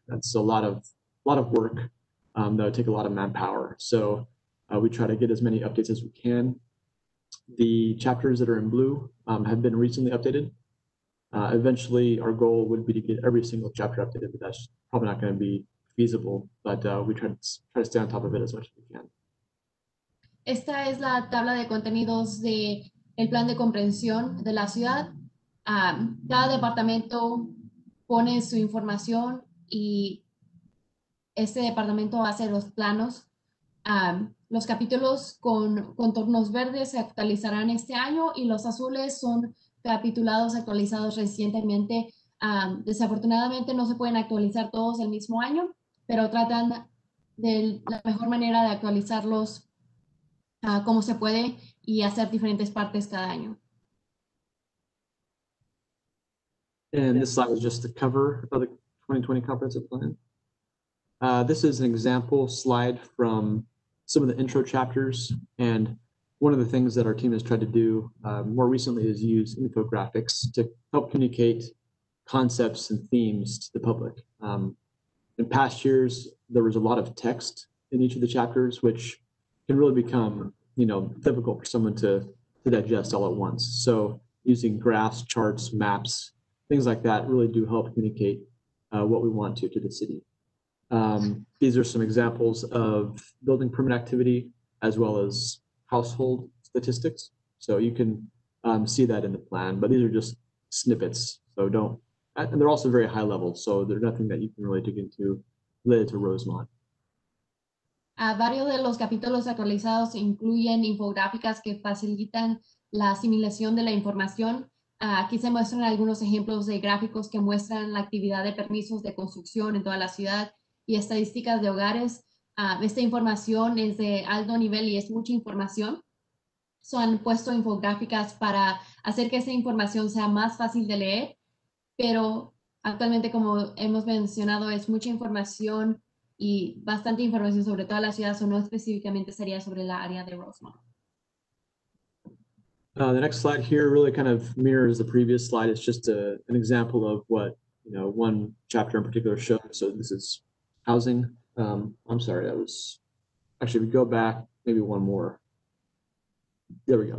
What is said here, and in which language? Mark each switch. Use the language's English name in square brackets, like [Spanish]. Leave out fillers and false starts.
[English] That's a lot of work that would take a lot of manpower. So we try to get as many updates as we can. The chapters that are in blue have been recently updated. Eventually, our goal would be to get every single chapter updated, but that's probably not going to be feasible. But we try to stay on top of it as much as we can. [Spanish] Esta es la tabla de contenidos de el plan de comprensión de la ciudad. Cada departamento pone su información y este departamento hace los planos. Los capítulos con contornos verdes se actualizarán este año, y los azules son capitulados actualizados recientemente. Desafortunadamente no se pueden actualizar todos el mismo año, pero tratan de la mejor manera de actualizarlos como se puede y hacer diferentes partes cada año. [English] And this slide is just the cover of the 2020 comprehensive plan. This is an example slide from some of the intro chapters, and one of the things that our team has tried to do more recently is use infographics to help communicate concepts and themes to the public. In past years, there was a lot of text in each of the chapters, which can really become, you know, difficult for someone to digest all at once. So using graphs, charts, maps, things like that really do help communicate what we want to the city. These are some examples of building permit activity as well as household statistics. So you can see that in the plan, but these are just snippets. So don't, and they're also very high level. So they're nothing that you can really dig into related to Rosemont. [Spanish] Varios de los capítulos actualizados incluyen infográficas que facilitan la asimilación de la información. Aquí se muestran algunos ejemplos de gráficos que muestran la actividad de permisos de construcción en toda la ciudad y estadísticas de hogares. Esta información es de alto nivel y es mucha información. So han puesto infográficas para hacer que esa información sea más fácil de leer, pero actualmente, como hemos mencionado, es mucha información y bastante información sobre toda la ciudad, o so no específicamente sería sobre la área de Rosemont. [English] The next slide here really kind of mirrors the previous slide. It's just an example of what, you know, one chapter in particular shows. So this is housing. I'm sorry, that was actually, we go back maybe one more. There we go.